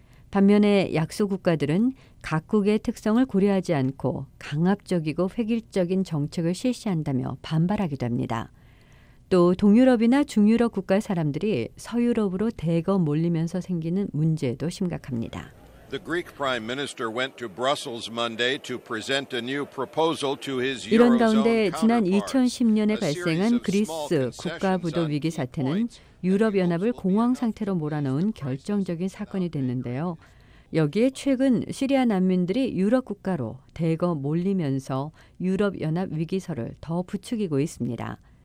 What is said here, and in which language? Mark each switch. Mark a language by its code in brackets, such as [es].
[ko] 반면에 약소 국가들은 각국의 특성을 고려하지 않고 강압적이고 획일적인 정책을 실시한다며 반발하기도 합니다. 또 동유럽이나 중유럽 국가 사람들이 서유럽으로 대거 몰리면서 생기는 문제도 심각합니다. [en] The Greek Prime Minister went to Brussels Monday to present a new proposal to his Eurozone. [ko] 이런 가운데 지난 2010년에 발생한 그리스 국가 부도 위기 사태는 유럽 연합을 공황 상태로 몰아넣은 결정적인 사건이 됐는데요. 여기에 최근 시리아 난민들이 유럽 국가로 대거 몰리면서 유럽 연합 위기설을 더 부추기고 있습니다.